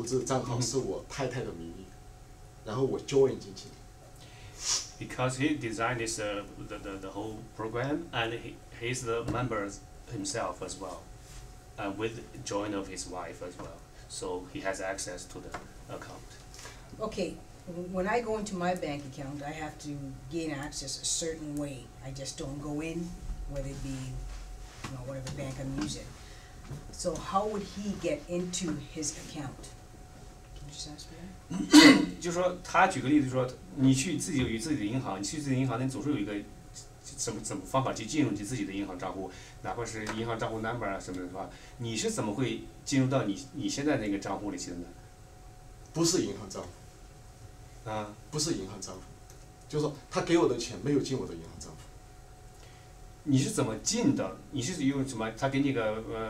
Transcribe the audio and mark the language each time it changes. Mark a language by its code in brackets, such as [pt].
[zh] 因为我设计的这个程序，然后，因为我就是这个投资账号是我太太的名义。然后我 join 进去。 [en] Because he designed this the whole program and he's the member himself as well, and with join of his wife as well, so he has access to the account. Okay, when I go into my bank account, I have to gain access a certain way. I just don't go in, whether it be, you know, whatever bank I'm using. So how would he get into his account? Can you just ask me that? [zh] 就是说他举个例子说你去自己有自己的银行，你去自己的银行，你总是有一个什么方法去进入你自己的银行账户，哪怕是银行账户 number 啊什么的话，你是怎么会进入到你现在那个账户里去的呢？不是银行账户，就是说他给我的钱没有进我的银行账户。你是怎么进的？你是用什么？他给你个